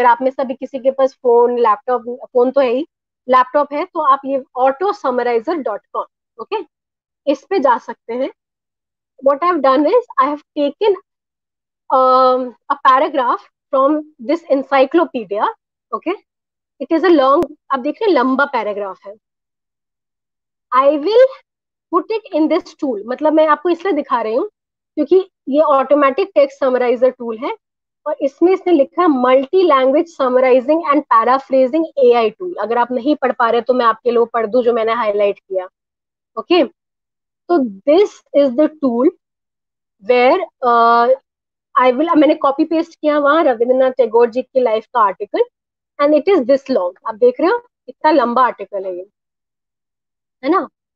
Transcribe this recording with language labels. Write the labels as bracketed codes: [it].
[hi] अगर आप में सभी किसी के पास फोन, लैपटॉप, फोन तो है ही, लैपटॉप है, तो आप ये autosummarizer.com, ओके, इस पे जा सकते हैं. [en] What I have done is I have taken a paragraph from this encyclopaedia, okay. It is a long, [hi] आप देख रहे हैं, लंबा पैराग्राफ है. [en] I will put it in this tool. [hi] मतलब मैं आपको इसलिए दिखा रही हूँ क्योंकि ये automatic text summarizer tool है और इसमें इसने लिखा है multi language summarising and paraphrasing AI tool. अगर आप नहीं पढ़ पा रहे तो मैं आपके लिए पढ़ दूँ जो मैंने हाईलाइट किया, ओके. तो [en] this is the tool where I will, [hi] मैंने कॉपी पेस्ट किया वहाँ रविंद्रनाथ टैगोर जी की लाइफ का article, [en] and it is this long, [hi] आप देख रहे हो इतना लंबा आर्टिकल है ये, है ना.